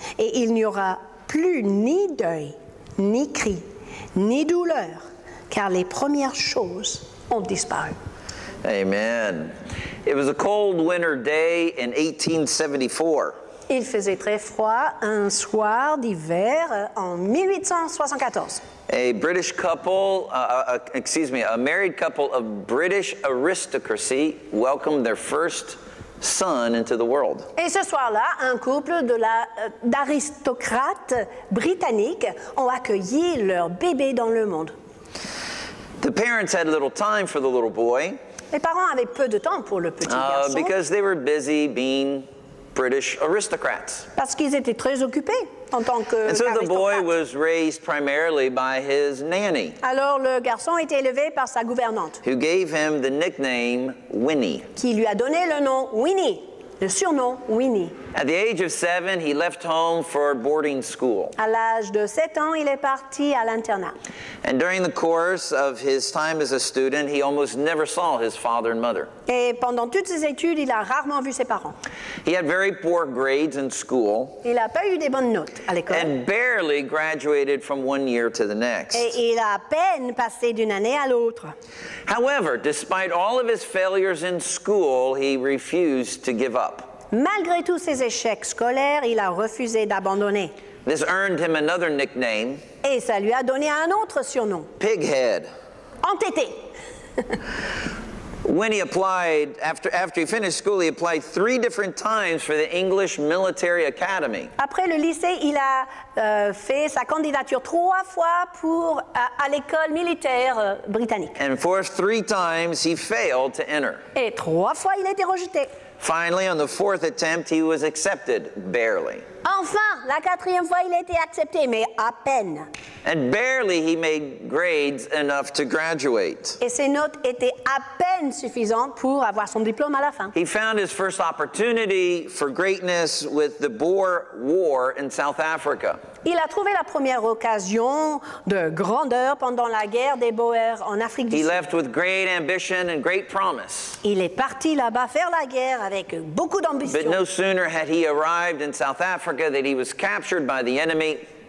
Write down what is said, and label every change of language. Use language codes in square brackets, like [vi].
[fr] Et il n'y aura plus ni deuil, ni cri, ni douleur, car les premières choses ont disparu. [en] Amen. It was a cold winter day in 1874. [fr] Il faisait très froid un soir d'hiver en 1874. [en] A married couple of British aristocracy welcomed their first son into the world. [fr] Et ce soir-là, un couple d'aristocrates britanniques ont accueilli leur bébé dans le monde. [en] The parents had little time for the little boy. [fr] Les parents avaient peu de temps pour le petit garçon. [en] Because they were busy being British aristocrats. [fr] Parce qu'ils étaient très occupés en tant que aristocrates. [en] And so the boy was raised primarily by his nanny. [fr] Alors le garçon était élevé par sa gouvernante. [en] Who gave him the nickname Winnie. [fr] Qui lui a donné le nom Winnie, le surnom Winnie. [en] At the age of 7, he left home for boarding school. [fr] À l'âge de 7 ans, il est parti à l'internat. [en] And during the course of his time as a student, he almost never saw his father and mother. [fr] Et pendant toutes ses études, il a rarement vu ses parents. [en] He had very poor grades in school. [fr] Il a pas eu des bonnes notes à l'école. [en] And barely graduated from one year to the next. [fr] Et il a à peine passé d'une année à l'autre. [en] However, despite all of his failures in school, he refused to give up. [fr] Malgré tous ses échecs scolaires, il a refusé d'abandonner. [en] This earned him another nickname. [fr] Et ça lui a donné un autre surnom. [en] Pighead. [fr] Entêté. [en] When he applied, after he finished school, he applied 3 different times for the English Military Academy. [fr] Après le lycée, il a fait sa candidature 3 fois pour à l'école militaire britannique. [en] And for 3 times, he failed to enter. [fr] Et 3 fois, il a été rejeté. [en] Finally, on the 4th attempt, he was accepted, barely. [fr] Enfin, la quatrième fois, il a été accepté, mais à peine. [en] And barely he made grades enough to graduate. [fr] Et ses notes étaient à peine suffisantes pour avoir son diplôme à la fin. [en] He found his first opportunity for greatness with the Boer War in South Africa. [fr] Il a trouvé la première occasion de grandeur pendant la guerre des Boers en Afrique du Sud. [en] He left with great ambition and great promise. [fr] Il est parti là-bas faire la guerre avec beaucoup d'ambition. [en] But no sooner had he arrived in South Africa than he was captured by the enemy.